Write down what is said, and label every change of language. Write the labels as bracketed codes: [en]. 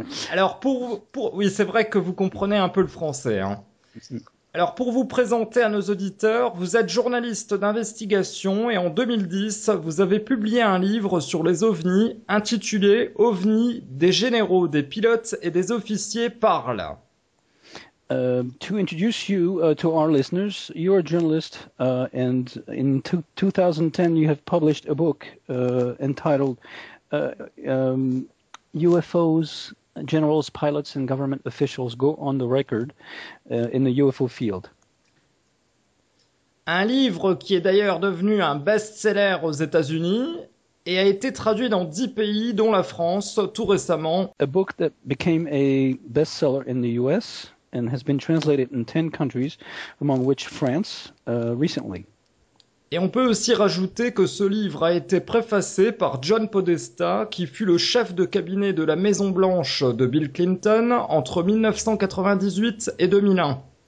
[fr] Alors pour oui, c'est vrai que vous comprenez un peu le français. Hein. Alors pour vous présenter à nos auditeurs, vous êtes journaliste d'investigation et en 2010, vous avez publié un livre sur les ovnis intitulé « OVNIs, des généraux, des pilotes et des officiers parlent ». [en] To introduce you to our listeners, you are a journalist, and in 2010 you have published a book entitled UFOs, Generals, Pilots, and Government Officials Go on the Record in the UFO Field. [fr] Un livre qui est d'ailleurs devenu un best-seller aux États-Unis et a été traduit dans 10 pays, dont la France, tout récemment. [en] A book that became a best-seller in the U.S., and has been translated in 10 countries, among which France, recently. [fr] Et on peut aussi rajouter que ce livre a été préfacé par John Podesta, qui fut le chef de cabinet de la Maison Blanche de Bill Clinton entre 1998 et 2001.